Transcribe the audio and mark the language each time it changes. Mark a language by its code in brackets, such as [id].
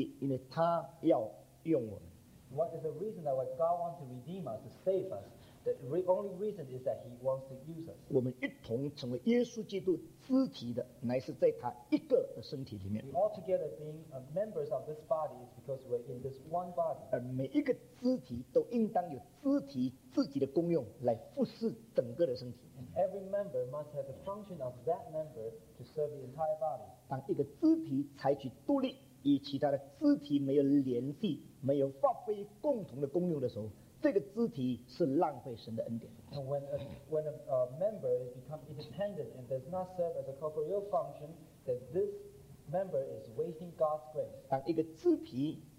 [zh] 神为什么要拯救我们？为什么要买赎我们呢？只有一个目的，因为他要用我们。 [en] What is the reason that God wants to redeem us, to save us? The only reason is that He wants to use us. [zh] 我们一同成为耶稣基督肢体的，乃是在他一个的身体里面。 [en] We all together being members of this body is because we're in this one body. [zh] 而每一个肢体都应当有肢体自己的功用来服侍整个的身体。 [en] And every member must have the function of that member to serve the entire body. [zh] 当一个肢体采取独立。与其他的肢体没有联系，没有发挥共同的功用的时候，这个肢体是浪费神的恩典。And [en] when a member becomes independent and does not serve as a corporeal function, that this member is wasting God's grace.